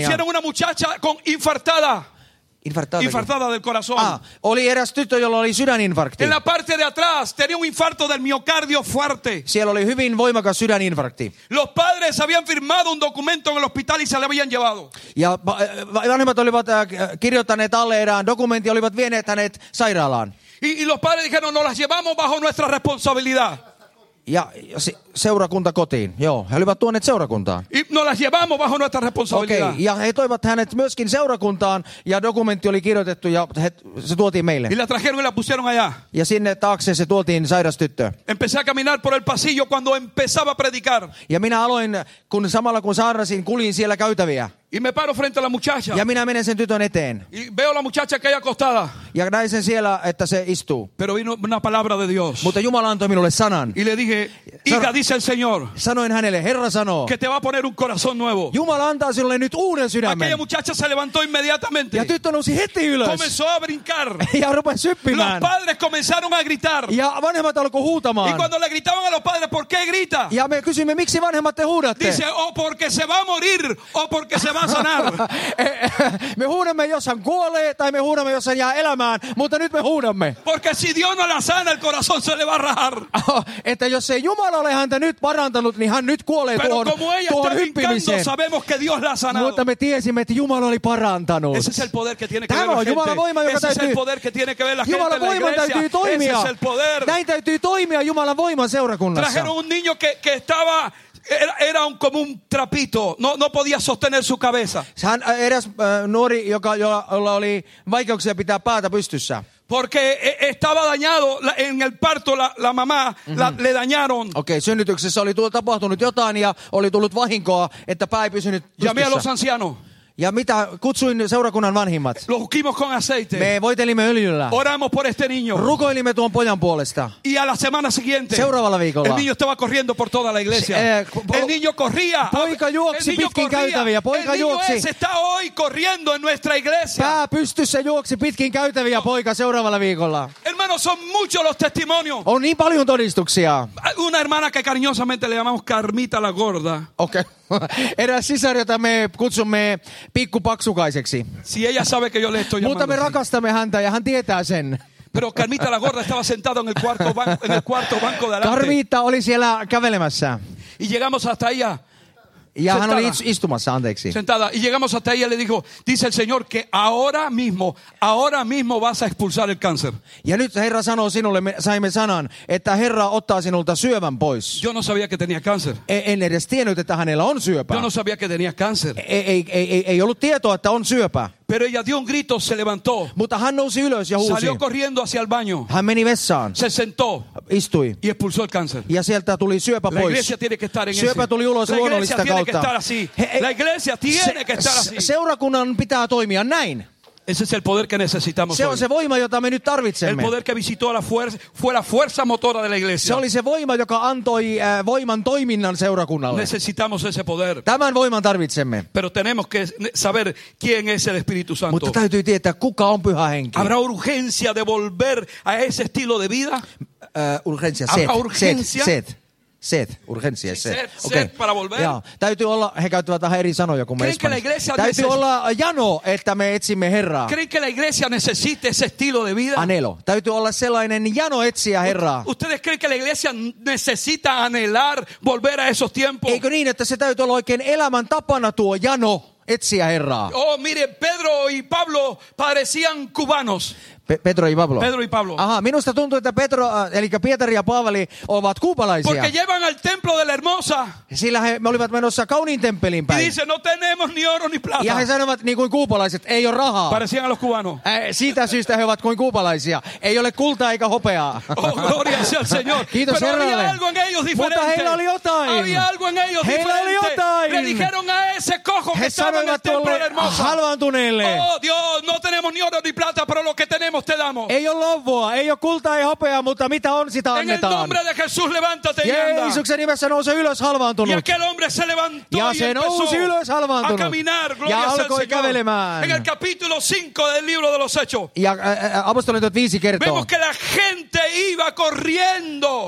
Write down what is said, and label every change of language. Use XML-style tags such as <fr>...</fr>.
<es>Pusieron una muchacha con infartada. Infartada del corazón.</es> <fi>Oli eräs tyttö, jolla oli sydäninfarkti.</fi> <es>En la parte de atrás tenía un infarto del miocardio fuerte.</es> <fi>Siellä oli hyvin voimakas sydäninfarkti.</fi> <es>Los padres habían firmado un documento en el hospital y se le habían llevado.</es> <fi>Ja vanhemmat olivat kirjoittaneet alle erään dokumentin, olivat vieneet hänet sairaalaan.</fi> <es>Y los padres dijeron, nos las llevamos bajo nuestra responsabilidad.</es> <fi>Ja seurakunta kotiin. Joo, he olivat tuoneet seurakuntaan.</fi> <es>Y nos las llevamos bajo nuestra responsabilidad.</es> <fi>Okei, ja he toivat hänet myöskin seurakuntaan, ja dokumentti oli kirjoitettu, ja se tuotiin meille.</fi> <es>Y la trajeron y la pusieron allá.</es> <fi>Ja sinne taakse se tuotiin sairas tyttö.</fi> <es>Empecé a caminar por el pasillo cuando empezaba a predicar.</es> <fi>Ja minä aloin, kun samalla kun saarnasin, kulin siellä käytäviä.</fi> <es>Y me paro frente a la muchacha.</es> <fi>Ja minä menen sen tytön eteen.</fi> <es>Y veo la muchacha que hay acostada.</es> <fi>Ja näin sen siellä, että se istuu.</fi> <es>Pero vino una palabra de Dios.</es> <fi>Mutta Jumala antoi minulle sanan.</fi> <es>Y le dije, hija, dice el Señor.</es> <fi>Sanoin hänelle, Herra sanoo.</fi> <es>Que te va a poner un corazón nuevo.</es> <fi>Jumala antaa sinulle nyt uuden sydämen.</fi> <es>Aquella muchacha se levantó inmediatamente.</es> <fi>Ja tyttö nousi heti ylös.</fi> <es>Comenzó a brincar.</es> <fi>Ja rupesi hyppimään.</fi> <es>Los padres comenzaron a gritar.</es> <fi>Ja vanhemmat alkoi huutamaan.</fi> <es>Y cuando le gritaban a los padres, ¿por qué grita?</es> <fi>Ja me kysyimme, miksi vanhemmat te huudatte?</fi> <es>Dice, o porque se va a morir, o porque se va a sanar.</es> <fi>Me huudamme, jos hän kuolee, tai me huudamme, jos hän jää elämään, mutta nyt me huudamme.</fi> <es>Porque si Dios no la sana, el corazón se le va a rajar.</es> <fi>Että jos ei Jumala ole häntä nyt parantanut, niin hän nyt kuolee tuohon hyppimiseen. Mutta me tiesimme, että Jumala oli parantanut.</fi> <es>Ese es el poder que tiene que ver la gente.</es> <fi>Jumala voima, joka täytyy... Jumala voima täytyy toimia.</fi> <es>Ese es el poder.</es> <fi>Näin täytyy toimia Jumalan voiman seurakunnassa.</fi> <es>Trajeron un niño que estaba... Era un como un trapito, no podía sostener su cabeza.</es> <fi>Hän eräs nuori, jolla oli vaikeuksia pitää päätä pystyssä.</fi> <es>Porque estaba dañado en el parto la mamá le dañaron.</es> <fi>Okei, synnytyksessä oli tapahtunut jotain ja oli tullut vahinkoa, että pää ei pysynyt pystyssä.</fi> <es>Llamé a los ancianos.</es> <fi>Ja mitä kutsuin seurakunnan vanhimmat?</fi> <es>Lo ungimos con aceite.</es> <fi>Me voitelimme öljyllä.</fi> <es>Oramos por este niño.</es> <fi>Rukoilimme tuon pojan puolesta.</fi> <es>Y a la semana siguiente.</es> <fi>Seuraavalla viikolla.</fi> <es>El niño estaba corriendo por toda la iglesia. El niño corría.</es> <fi>Poika juoksi pitkin käytäviä. Poika juoksi.</fi> <es>El niño está hoy corriendo en nuestra iglesia.</es> <fi>Pää pystyssä juoksi pitkin käytäviä poika seuraavalla viikolla.</fi> <es>Hermanos, son muchos los testimonios.</es> <fi>On niin paljon todistuksia.</fi> <es>Una hermana que cariñosamente le llamamos Carmita la Gorda. Okei. Okay.</es> <fi>Eräs sisar, jota me kutsumme pikkupaksukaiseksi.</fi> <es>Si ella sabe que yo le estoy llamando.</es> <fi>Mutta me rakastamme häntä ja hän tietää sen.</fi> <es>Pero Carmita la Gorda estaba sentado en el cuarto banco de adelante.</es> <fi>Carmita oli siellä kävelemässä.</fi> <es>Y llegamos hasta ella.</es> <fi>Ja hän oli istumassa, anteeksi.</fi> <es>Sentada. Y llegamos hasta ella y le dijo, dice el Señor que ahora mismo vas a expulsar el cáncer.</es> <fi>Ja nyt Herra sanoo sinulle, me saimme sanan, että Herra ottaa sinulta syövän pois.</fi> <es>Yo no sabía que tenía cáncer.</es> <fi>En edes tiennyt, että hänellä on syöpä.</fi> <es>Yo no sabía que tenía cáncer.</es> <fi>Ei ollut tietoa, että on syöpä.</fi> <es>Pero ella dio un grito, se levantó.</es> <fi>Mutta hän nousi ylös ja huusi.</fi> <es>Salió corriendo hacia el baño.</es> <fi>Hän meni vessaan.</fi> <es>Se sentó.</es> <fi>Istui.</fi> <es>Y expulsó el cáncer.</es> <fi>Ja sieltä tuli syöpä pois.</fi> <es>La iglesia tiene que estar en</es> <fi>syöpä</fi> <es>ese.</es> <fi>Tuli ulos luonnollista kautta.</fi> <es>La iglesia tiene que estar así.</es> <fi>Seurakunnan pitää toimia näin.</fi> <es>Ese es el poder que necesitamos.</es> <fi>Se on se voima, jota me nyt tarvitsemme.</fi> <es>El poder que visitó la fuerza fue la fuerza motora de la iglesia.</es> <fi>Se oli se voima, joka antoi voiman toiminnan seurakunnalle.</fi> <es>Necesitamos ese poder.</es> <fi>Tämän voiman tarvitsemme.</fi> <es>Pero tenemos que saber quién es el Espíritu Santo.</es> <fi>Mutta täytyy tietää, kuka on Pyhä Henki.</fi> <es>Habrá urgencia de volver a ese estilo de vida. Urgencia. Sed. sed, urgencia, sí, sed. Okay. Sed para volver. Yeah.</es> <fi>Täytyy olla, he käyttävät vähän eri sanoja kuin me espanjaksi. Täytyy olla jano, että me etsimme Herraa.</fi> <es>¿Creen que la iglesia necesita ese estilo de vida? Anhelo.</es> <fi>Täytyy olla sellainen jano etsiä Herraa.</fi> <es>¿Ustedes creen que la iglesia necesita anhelar volver a esos tiempos?</es> <fi>Eikö niin, että se täytyy olla oikein elämän tapana tuo jano etsiä Herraa?</fi> <es>Oh, mire, Pedro y Pablo parecían cubanos. Pedro y Pablo. Pedro y Pablo.</es> <fi>Aha, minusta tuntuu, että Pedro, eli Pietari ja Paavali ovat kuubalaisia.</fi> <es>Porque llevan al templo de la hermosa.</es> <fi>Sillä he olivat menossa kauniin temppeliin päin.</fi> <es>Y dice, no tenemos ni oro ni plata.</es> <fi>Ja he sanovat, niin kuin kuubalaiset, ei ole rahaa.</fi> <es>Parecían a los cubanos.</es> <fi>Siitä syystä he ovat kuin kuubalaisia. Ei ole kultaa eikä hopeaa.</fi> <es>Oh, gloria sea el Señor.</es> <fi>Kiitos</fi> <es>Pero</es> <fi>Herralle.</fi> <es>Había algo en ellos diferente.</es> <fi>Mutta heillä oli jotain.</fi> <es>Había algo en ellos</es> <fi>heillä</fi> <es>diferente.</es> <fi>Oli jotain.</fi> <es>Le dijeron a ese cojo que estaba en el templo de la hermosa.</es> <fi>Halvaantuneelle.</fi> <es>Oh, Dios, no tenemos ni oro ni plata, pero lo que tenemos te damos.</es> <fi>Ei ole louvoa, ei ole kultaa, ei hopeaa, mutta mitä on, sitä annetaan.</fi> <es>En el nombre de Jesús, levántate y anda.</es> <fi>Jeesuksen nimessä nouse ylös halvaantunut.</fi> <es>Y aquel hombre se levantó</es> <fi>ja se nousi ylös halvaantunut.</fi> <es>A caminar,</es> <fi>ja alkoi kävelemään.</fi> <es>En el capítulo 5 del libro de los hechos.</es> <fi>Ja apostolit 5 kertoo.</fi> <es>Vemos que la gente iba corriendo.</es>